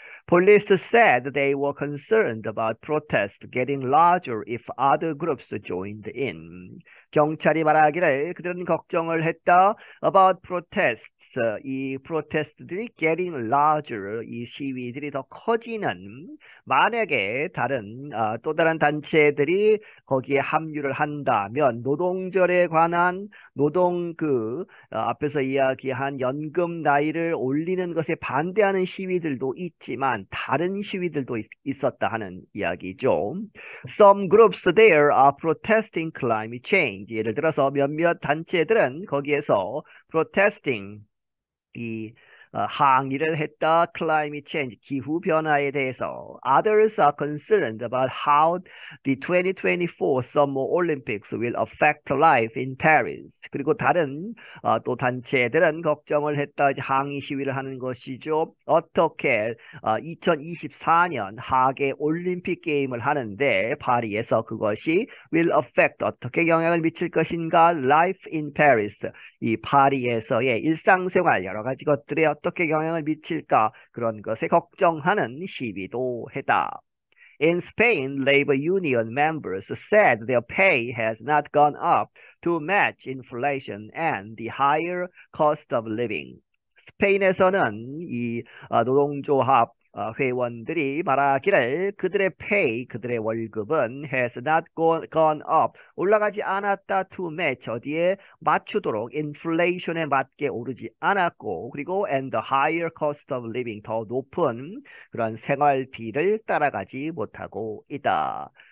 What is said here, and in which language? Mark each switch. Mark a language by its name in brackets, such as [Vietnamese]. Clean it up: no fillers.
[English] Police said they were concerned about protests getting larger if other groups joined in. [Korean] 경찰이 말하기를 그들은 걱정을 했다. [English] About protests, [Korean] 이 protests들이 [English] getting larger, [Korean] 이 시위들이 더 커지는, 만약에 다른 또 다른 단체들이 거기에 합류를 한다면, 노동절에 관한 노동, 그 앞에서 이야기한 연금 나이를 올리는 것에 반대하는 시위들도 있지만 다른 시위들도 있었다 하는 이야기죠. [English] Some groups there are protesting climate change. [Korean] 예를 들어서 몇몇 단체들은 거기에서 protesting, 이 항의를 했다. [English] Climate change, [Korean] 기후 변화에 대해서. [English] Others are concerned about how the 2024 Summer Olympics will affect life in Paris. [Korean] 그리고 다른 또 단체들은 걱정을 했다. 항의 시위를 하는 것이죠. 어떻게 2024년 하계 올림픽 게임을 하는데 파리에서 그것이 [English] will affect [Korean] 어떻게 영향을 미칠 것인가? [English] Life in Paris. [Korean] 이 파리에서의 일상생활 여러 가지 것들에 어떻게 영향을 미칠까 그런 것에 걱정하는 시위도 했다. [English] In Spain, labor union members said their pay has not gone up to match inflation and the higher cost of living. [Korean] 스페인에서는 이 노동조합 회원들이 말하기를 그들의 pay, 그들의 월급은 [English] has not gone up, [Korean] 올라가지 않았다, [English] to match, [Korean] 어디에 맞추도록, inflation에 맞게 오르지 않았고, 그리고 [English] and the higher cost of living, [Korean] 더 높은 그런 생활비를 따라가지 못하고 있다.